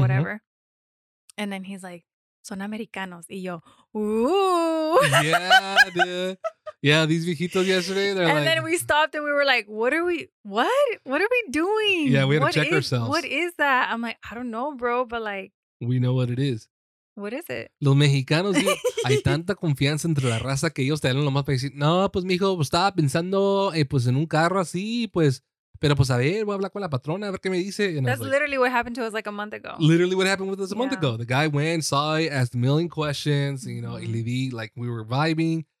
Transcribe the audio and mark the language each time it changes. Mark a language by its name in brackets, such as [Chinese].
[English] whatever. And then he's like, [Spanish] son americanos. Y yo, ooh. [English] Yeah, dude. Yeah, these viejitos yesterday, they're and like. And then we stopped and we were like, what are we doing? Yeah, we had what to check ourselves. What is that? I'm like, I don't know, bro, but like. We know what it is. What is it? [Spanish] Los mexicanos, dude, hay tanta confianza entre la raza que ellos te dan lo más para decir, no, pues mijo, estaba pensando pues en un carro así, pues. Pero pues a ver, voy a hablar con la patrona, a ver qué me dice. [English] And that's like, literally what happened to us like a month ago. Literally what happened with us a month ago. The guy went, saw it, asked a million questions, you know, mm-hmm. [Spanish] y le di, [English] like, we were vibing.